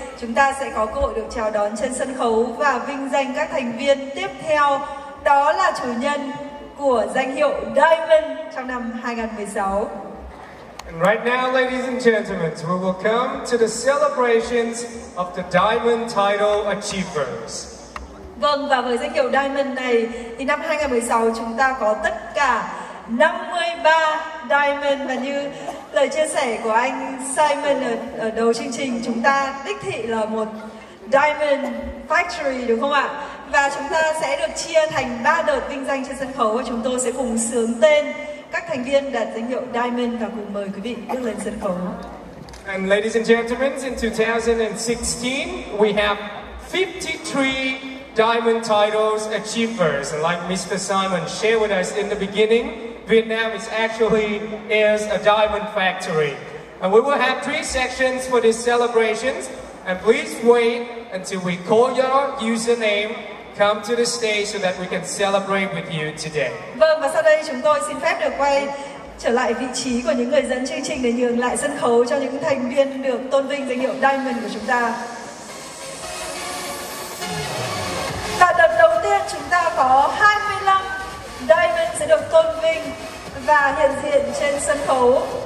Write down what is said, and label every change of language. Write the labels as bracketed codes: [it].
[vi] chúng ta sẽ có cơ hội được chào đón trên sân khấu và vinh danh các thành viên tiếp theo, đó là chủ nhân của danh hiệu Diamond trong năm 2016. [en] And right now, ladies and gentlemen, we will come to the celebrations of the Diamond Title Achievers. [vi] Vâng, và với danh hiệu Diamond này thì năm 2016 chúng ta có tất cả 53 Diamond, và như lời chia sẻ của anh Simon ở đầu chương trình, chúng ta đích thị là một Diamond Factory, đúng không ạ? Và chúng ta sẽ được chia thành 3 đợt vinh danh trên sân khấu, và chúng tôi sẽ cùng sướng tên các thành viên đạt danh hiệu Diamond và cùng mời quý vị bước lên sân khấu. [en] And ladies and gentlemen, in 2016 we have 53 Diamond Titles Achievers. And like Mr. Simon shared with us in the beginning, Vietnam is actually a diamond factory. And we will have 3 sections for these celebrations. And please wait until we call your username, come to the stage so that we can celebrate with you today. [vi] Vâng, và sau đây chúng tôi xin phép được quay trở lại vị trí của những người dẫn chương trình để nhường lại sân khấu cho những thành viên được tôn vinh danh hiệu Diamond của chúng ta. Và đợt đầu tiên chúng ta có 25 Diamond sẽ được tôn vinh và hiện diện trên sân khấu.